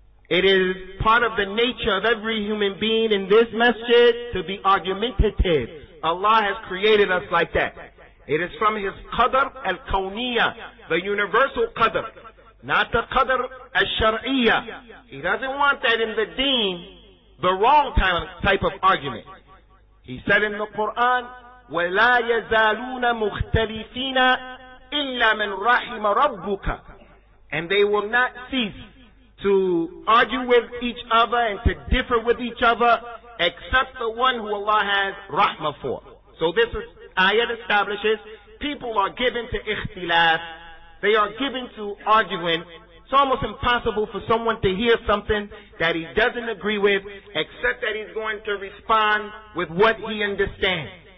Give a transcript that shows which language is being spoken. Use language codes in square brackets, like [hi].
[en] It is part of the nature of every human being in this masjid to be argumentative. Allah has created us like that. It is from His Qadr al-Kawniyah, the universal Qadr, not the Qadr al-Shar'iyah. He doesn't want that in the deen, the wrong type of argument. He said in the Quran, [ar] وَلَا يَزَالُونَ مُخْتَلِفِينَ إِلَّا مَنْ رَحِمَ رَبُّكَ. [en] And they will not cease to argue with each other and to differ with each other except the one who Allah has rahmah for. So this ayat establishes people are given to ikhtilaf. They are given to arguing. It's almost impossible for someone to hear something that he doesn't agree with, except that he's going to respond with what he understands.